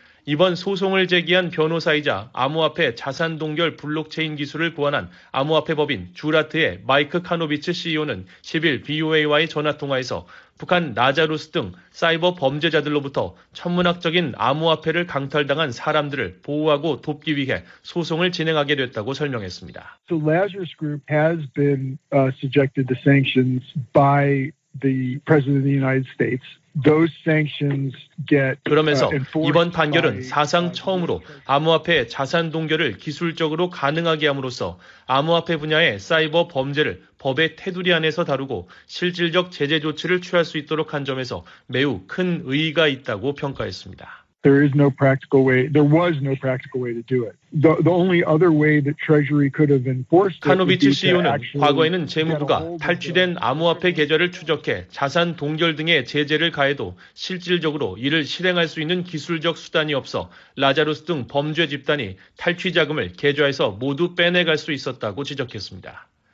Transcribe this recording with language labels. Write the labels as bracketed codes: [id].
[ko] 이번 소송을 제기한 변호사이자 암호화폐 자산 동결 블록체인 기술을 보완한 암호화폐 법인 주라트의 마이크 카노비츠 CEO는 10일 BOA와의 전화통화에서 북한 나자루스 등 사이버 범죄자들로부터 천문학적인 암호화폐를 강탈당한 사람들을 보호하고 돕기 위해 소송을 진행하게 됐다고 설명했습니다. [en] The Lazarus Group has been subjected to sanctions by the President of the United States. Those sanctions get [ko] 그러면서 이번 판결은 사상 처음으로 암호화폐 자산 동결을 기술적으로 가능하게 함으로써 암호화폐 분야의 사이버 범죄를 법의 테두리 안에서 다루고 실질적 제재 조치를 취할 수 있도록 한 점에서 매우 큰 의의가 있다고 평가했습니다. [en] There is no practical way. There was no practical way to do it. The only other way that Treasury could have enforced it. [ko] 카노비치 CEO는 과거에는 재무부가 탈취된 암호화폐 계좌를 추적해 자산 동결 등의 제재를 가해도 실질적으로 이를 실행할 수 있는 기술적 수단이 없어 라자루스 등 범죄 집단이 탈취 자금을 계좌에서 모두 빼내갈 수 있었다고 지적했습니다.